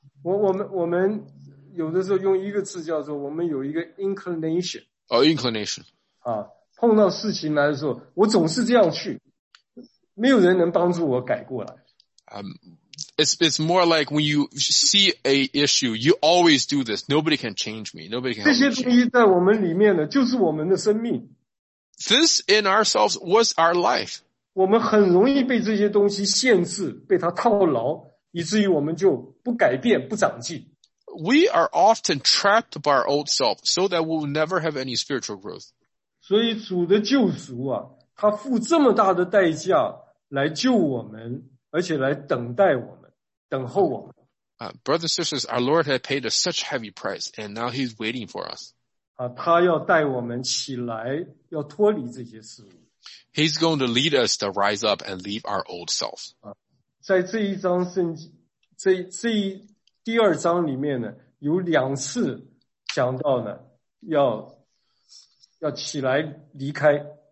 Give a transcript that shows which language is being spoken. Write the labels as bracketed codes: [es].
[zh] 我们有的时候用一个字叫做我们有一个 inclination. [en] Oh, inclination. [zh] 碰到事情来的时候，我总是这样去，没有人能帮助我改过来。 [en] It's more like when you see a issue, you always do this. Nobody can change me. Nobody can. [zh] 这些东西在我们里面呢，就是我们的生命。 [en] This in ourselves was our life. [zh] 我们很容易被这些东西限制，被它套牢，以至于我们就不改变，不长进。 [en] We are often trapped by our old self so that we will never have any spiritual growth. [zh] 所以主的救赎啊，他付这么大的代价来救我们，而且来等待我们，等候我们。 [en] Brothers and sisters, our Lord had paid a such heavy price and now he's waiting for us. [zh] 他要带我们起来，要脱离这些事物。 [en] He's going to lead us to rise up and leave our old self. [zh] 在这一章圣经，这一第二章里面呢，有两次讲到呢，要起来离开。